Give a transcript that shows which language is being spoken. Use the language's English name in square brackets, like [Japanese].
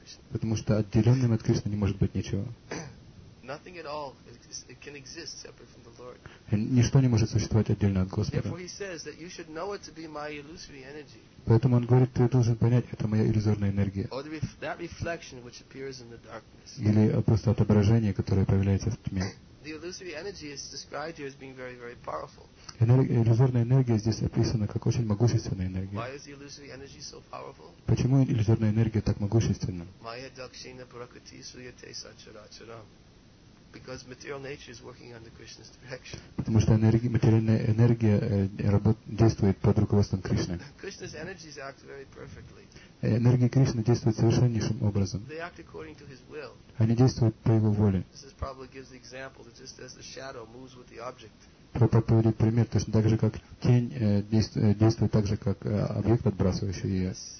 [Russian] Потому что отделенным от Кришны не может быть ничего. [English] Nothing at all it can exist separate from the Lord. [Russian] Ничто не может существовать отдельно от Господа. [English] Therefore, he says that you should know it to be my illusory energy. [Russian] Поэтому он говорит, ты должен понять, это моя иллюзорная энергия. [English] Or that reflection which appears in the darkness. [Russian] Или просто отображение, которое появляется в тьме. [English] The illusory energy is described here as being very, very powerful. [Russian] Иллюзорная энергия здесь описана как очень могущественная энергия. [English] Why is the illusory energy so powerful? [Russian] Почему иллюзорная энергия так могущественна? [Sanskrit] Maya dakshina prakriti suyate sacharacharam. [English] Because material nature is working under Krishna's direction. [Russian] Потому что материальная энергия действует под руководством Кришны. [English] Krishna's energies act very perfectly. [Russian] Энергии Кришны действуют совершеннейшим образом. [English] They act according to his will. [Russian] Они действуют по его воле. [English] This is probably gives the example that just as the shadow moves with the object. [Russian] Прабхупада приводит пример, точно так же, как тень действует так же, как объект, отбрасывающий ее.